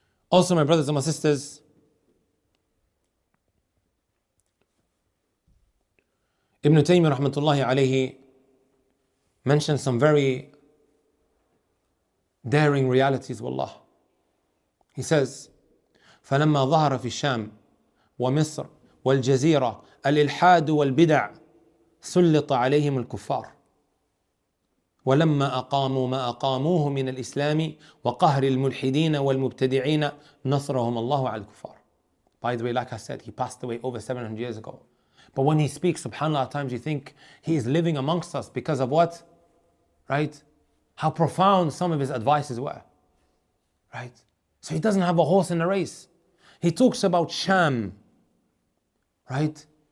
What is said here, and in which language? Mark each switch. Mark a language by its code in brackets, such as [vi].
[en] Also, my brothers and my sisters, Ibn Taymiyyah rahmatullahi alayhi mentioned some very daring realities, wallah. He says, [ar] فَلَمَّا ظَهَرَ فِي الشَّامِ وَمِصْرِ وَالْجَزِيرَةِ الْإِلْحَادُ وَالْبِدَعِ سُلِّطَ عَلَيْهِمُ الْكُفَّارِ ولما اقاموا ما اقاموه من الاسلام وقهر الملحدين والمبتدعين نصرهم الله على الكفار [en] By the way, like I said, he passed away over 700 years ago. But when he speaks, subhanAllah, at times you think he is living amongst us because of what? Right? How profound some of his advices were. Right? So he doesn't have a horse in the race. He talks about Sham. Right?